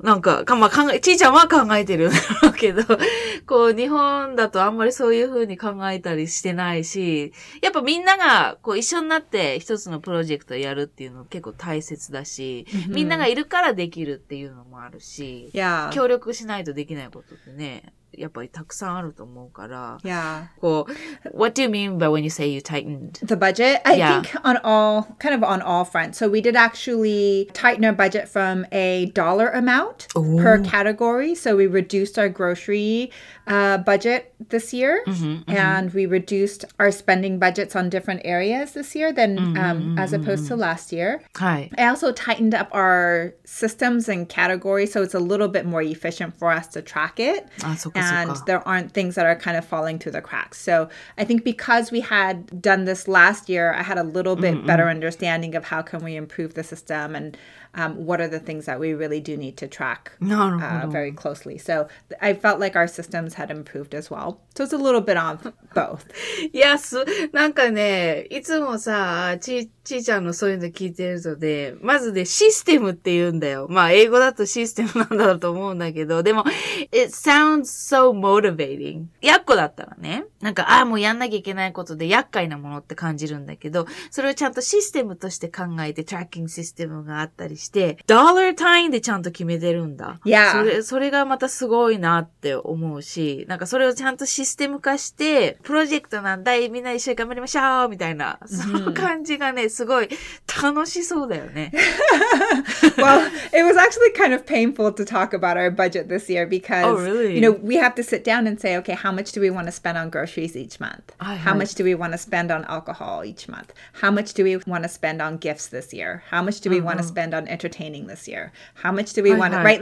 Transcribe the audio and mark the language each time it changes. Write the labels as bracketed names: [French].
[Japanese] なんか、まあ、考え、ちーちゃんは考えてるんだろうけど、こう、日本だとあんまりそういう風に考えたりしてないし、やっぱみんながこう一緒になって一つのプロジェクトやるっていうの結構大切だし、みんながいるからできるっていうのもあるし、 [English] yeah. [Japanese] 協力しないとできないことってね、やっぱりたくさんあると思うから。 [English] Yeah. こう、What do you mean by when you say you tightened? The budget? I think on all, kind of on all fronts. So we did actually tighten our budget from a dollar amount per category. So we reduced our grocery budget this year. Mm-hmm, mm-hmm. And we reduced our spending budgets on different areas this year than as opposed to last year. [Japanese] はい。 [English] I also tightened up our systems and categories. So it's a little bit more efficient for us to track it. And there aren't things that are kind of falling through the cracks. So I think because we had done this last year, I had a little bit better understanding of how can we improve the system and what are the things that we really do need to track very closely. So I felt like our systems had improved as well. So it's a little bit of both. Yes. [Japanese] なんかね、いつもさ、ちーちゃんのそういうの聞いてるので、まずね、システムって言うんだよ。まあ、英語だとシステムなんだろうと思うんだけど、でも、 [English] it sounds so motivating. [Japanese] やっこだったらね、なんか、ああ、もうやんなきゃいけないことで厄介なものって感じるんだけど、それをちゃんとシステムとして考えて、トラッキングシステムがあったりして、ドラー単位でちゃんと決めてるんだ。いや。それがまたすごいなって思うし、なんかそれをちゃんとシステム化して、プロジェクトなんだい、みんな一緒に頑張りましょうみたいな、その感じがね、すごい楽しそうだよね。 [English] Well, it was actually kind of painful to talk about our budget this year because, you know, we have to sit down and say, okay, how much do we want to spend on groceries each month? How much do we want to spend on alcohol each month? How much do we want to spend on gifts this year? How much do we want to spend on entertaining this year? How much do we want to, right?